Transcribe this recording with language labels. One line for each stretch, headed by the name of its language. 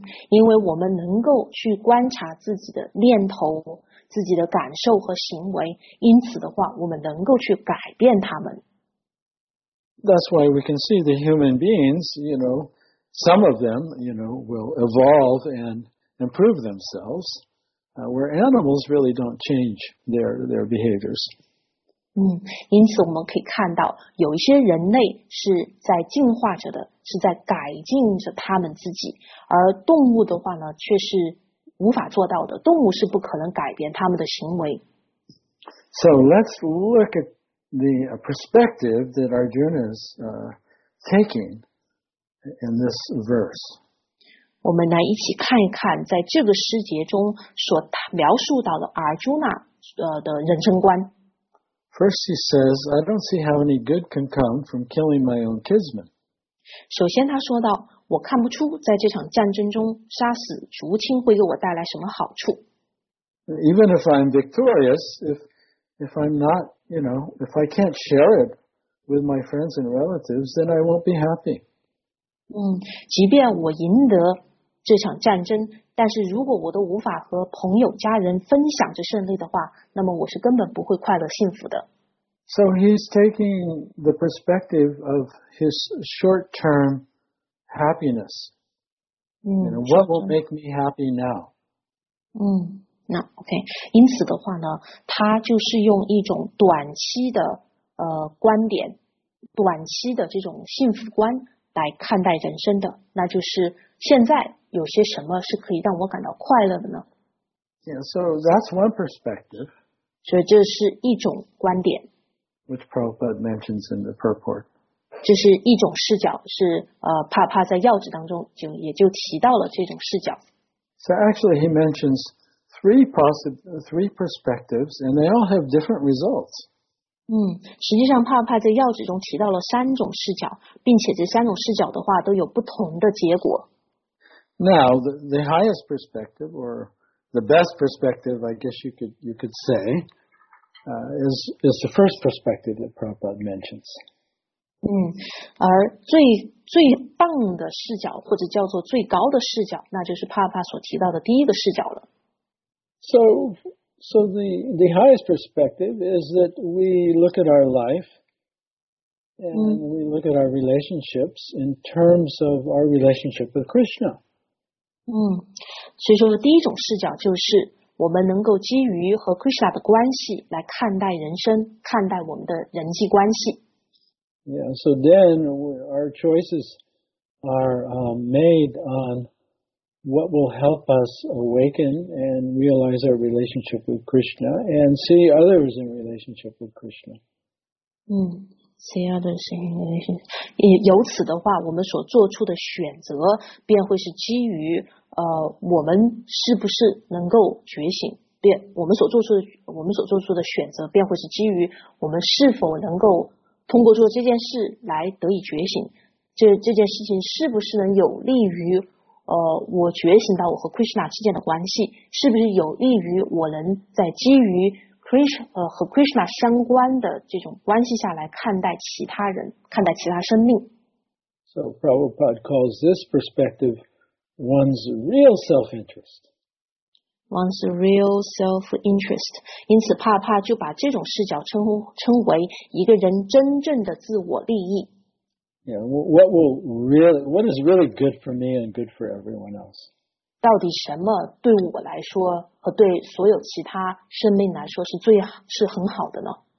Chinese: 因为我们能够去观察自己的念头，自己的感受和行为，因此的话我们能够去改变他们。
English: That's why we can see the human beings, you know, some of them, you know, will evolve and improve themselves, where animals really don't change their behaviors.
Chinese: 因此我们可以看到有一些人类是在进化着的，是在改进着他们自己，而动物的话呢却是无法做到的，动物是不可能改变他们的行为。
English: So let's look at the perspective that Arjuna is taking in this verse.
Chinese: 我们来一起看一看在这个诗节中所描述到的 Arjuna 的人生观。
English: First he says, I don't see how any good can come from killing my own kinsman.
Chinese: 首先他说到，我看不出在这场战争中杀死族亲会给我带来什么好处。
English: Even if I'm victorious, if I'm not, you know, if I can't share it with my friends and relatives, then I won't be happy.
Chinese: 即便我赢得这场战争，但是如果我都无法和朋友家人分享着胜利的话，那么我是根本不会快乐幸福的。
English: So he's taking the perspective of his short-term happiness. You know, what will make me happy now?
Chinese: 那 OK， 因此的话呢，他就是用一种短期的观点，短期的这种幸福观来看待人生的，那就是现在有些什么是可以让我感到快乐的呢
English: ？Yeah, so that's one perspective.
Chinese: 所以这是一种观点
English: ，which Prabhupada mentions in the purport.
Chinese: 这是一种视角，是帕帕在要旨当中就也就提到了这种视角。
English: So actually, he mentions three perspectives, and they all have different results.
Chinese: 实际上帕帕在要旨中提到了三种视角，并且这三种视角的话都有不同的结果。
English: Now, the highest perspective, or the best perspective, I guess you could say, is the first perspective that Prabhupada mentions.
Chinese: 而最棒的视角，或者叫做最高的视角，那就是帕帕所提到的第一个视角了。
English: So the highest perspective is that we look at our life, and we look at our relationships in terms of our relationship with Krishna.
Chinese: 所以说第一种视角就是我们能够基于和 Krishna 的关系来看待人生，看待我们的人际关系。
English: Yeah, so then our choices are made on what will help us awaken and realize our relationship with Krishna and see others in relationship with Krishna. See others in relationship.
Chinese: 由此的话，我们所做出的选择便会是基于我们是不是能够觉醒，我们所做出的选择便会是基于我们是否能够通过做这件事来得以觉醒，这件事情是不是能有利于我觉醒到我和 Krishna 之间的关系，是不是有利于我能在基于 Krishna 和 Krishna 相关的这种关系下来看待其他人，看待其他生命。
English: So Prabhupada calls this perspective one's real self-interest. One's real self-interest.
Chinese: 因此帕帕就把这种视角称为一个人真正的自我利益。
English: Yeah, what is really good for me and good for everyone else?
Chinese: 到底什么对我来说和对所有其他生命来说是很好的呢？